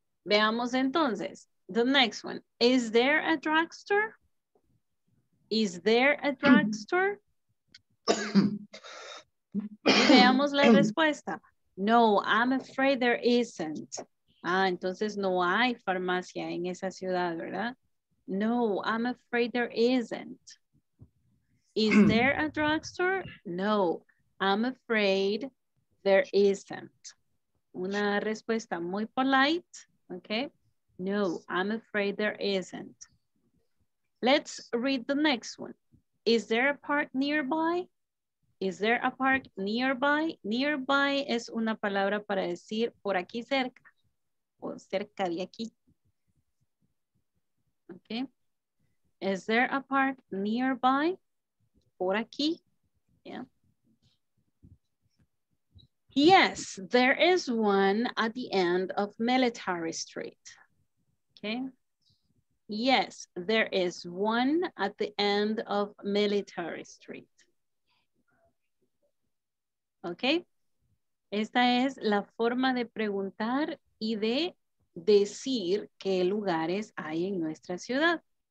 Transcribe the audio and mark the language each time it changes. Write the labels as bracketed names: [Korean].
[Spanish] Veamos entonces. [English] The next one. Is there a drugstore? Is there a drugstore? [Spanish] Veamos la respuesta. [English] No, I'm afraid there isn't. [Spanish] Ah, entonces no hay farmacia en esa ciudad, ¿verdad? [English] No, I'm afraid there isn't. Is there a drugstore? No, I'm afraid there isn't. [Spanish] Una respuesta muy [English] polite, okay? No, I'm afraid there isn't. Let's read the next one. Is there a park nearby? Is there a park nearby? [Spanish] Nearby es una palabra para decir por aquí cerca, o cerca de aquí. [English] Okay. Is there a park nearby? [Spanish] Por aquí. [English] Yeah. Yes, there is one at the end of Military Street. Okay. Yes, there is one at the end of Military Street. Okay. [Spanish] Esta es la forma de preguntar y de decir qué lugares hay en nuestra ciudad.